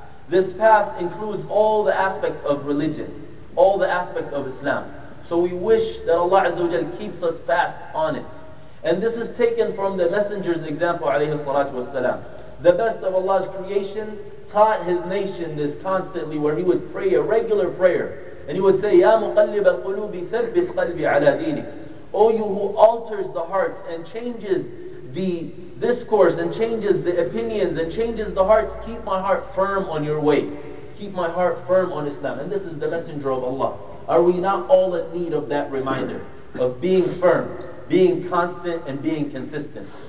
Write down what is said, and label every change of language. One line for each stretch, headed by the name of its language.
English: This path includes all the aspects of religion, all the aspects of Islam. So we wish that Allah Azza wa Jal keeps us fast on it. And this is taken from the Messenger's example, alayhi salatu wasalam. The best of Allah's creation taught his nation this constantly, where he would pray a regular prayer. And he would say,
Arabic: يَا مُقَلِّبَ الْقُلُوبِ ثَبِّتْ قَلْبِ عَلَى دِينِكَ.
English: O you who alters the hearts and changes the discourse and changes the opinions and changes the hearts, keep my heart firm on your way. keep my heart firm on Islam. And this is the messenger of Allah. Are we not all in need of that reminder of being firm, being constant, and being consistent?